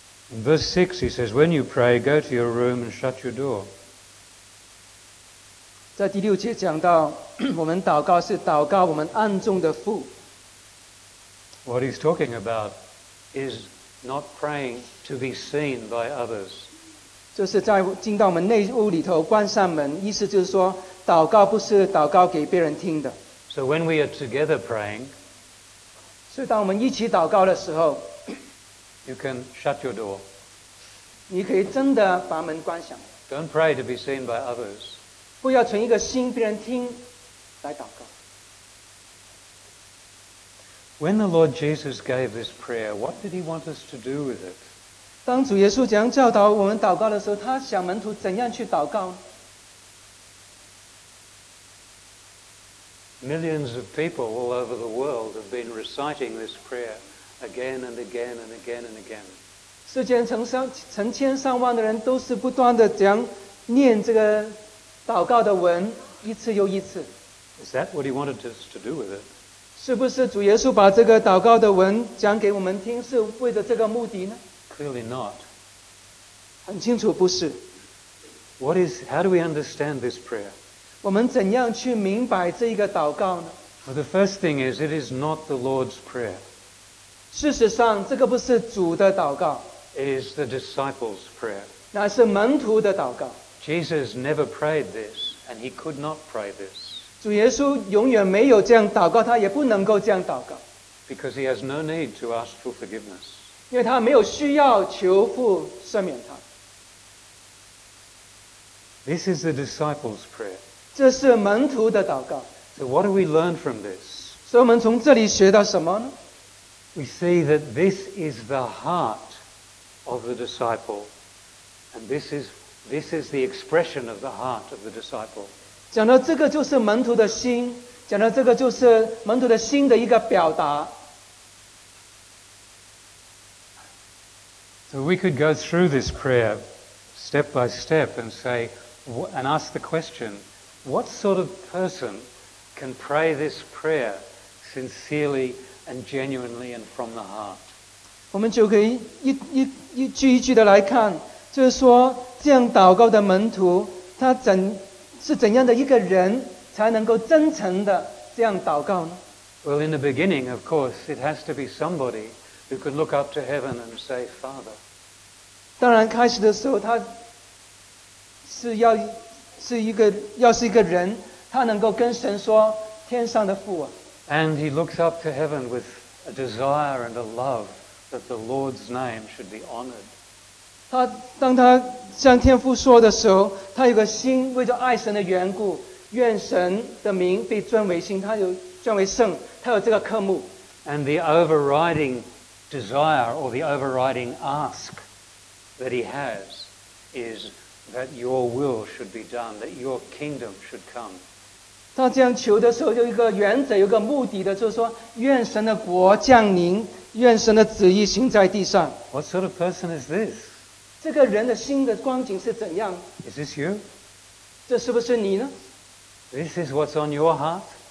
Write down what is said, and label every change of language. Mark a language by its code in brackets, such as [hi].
[en] In verse 6, he says, When you pray, go to your room and shut your door. [zh] 在第六节讲到我们祷告是祷告我们暗中的父。 [en] What he's talking about is not praying to be seen by others. [zh] 就是在进到我们内屋里头关上门，意思就是说祷告不是祷告给别人听的。 [en] So when we are together praying, [zh] 所以当我们一起祷告的时候， [en] you can shut your door. [zh] 你可以真的把门关上。 [en] Don't pray to be seen by others. [zh] 不要存一个心别人听来祷告。 [en] When the Lord Jesus gave this prayer, what did he want us to do with it? [zh] 当主耶稣这样教导我们祷告的时候，他想门徒怎样去祷告？ [en] Millions of people all over the world have been reciting this prayer again and again and again and again. [zh] 世间成千上万的人都是不断的这样念这个祷告的文，一次又一次。 [en] Is that what he wanted us to do with it? [zh] 是不是主耶稣把这个祷告的文讲给我们听，是为了这个目的呢？ [en] Clearly not. [zh] 很清楚不是。 [en] How do we understand this prayer? [zh] 我们怎样去明白这个祷告呢？ [en] Well, the first thing is, it is not the Lord's prayer. [zh] 事实上，这个不是主的祷告。 [en] It is the disciples' prayer. [zh] 那是门徒的祷告。 [en] Jesus never prayed this, and he could not pray this. [zh] 主耶稣永远没有这样祷告，他也不能够这样祷告。 [en] Because he has no need to ask for forgiveness. [zh] 因为他没有需要求父赦免他。 [en] This is the disciples' prayer. [zh] 这是门徒的祷告。 [en] So what do we learn from this? [zh] 所以我们从这里学到什么呢？ [en] We see that this is the heart of the disciple, and this is the expression of the heart of the disciple. [zh] 讲到这个就是门徒的心，讲到这个就是门徒的心的一个表达。 [en] So we could go through this prayer step by step and say, and ask the question, what sort of person can pray this prayer sincerely and genuinely and from the heart? [zh] 我们就可以一句一句的来看，就是说这样祷告的门徒，他是怎样的一个人才能够真诚的这样祷告呢？ [en] Well, in the beginning, of course, it has to be somebody who can look up to heaven and say, Father. [zh] 当然开始的时候他是一个人，他能够跟神说天上的父啊。 [en] And he looks up to heaven with a desire and a love that the Lord's name should be honored. [zh] 他当他向天父说的时候，他有个心，为着爱神的缘故，愿神的名被尊为圣，他有尊为圣，他有这个科目。 [en] And the overriding desire or the overriding ask that he has is that your will should be done, that your kingdom should come. [zh] 他这样求的时候，有一个原则，有个目的的，就是说，愿神的国降临，愿神的旨意行在地上。 [en] What sort of person is this? [zh] 这个人的心的光景是怎样？ [en] Is this you? [zh] 这是不是你呢？ [en] This is what's on your heart.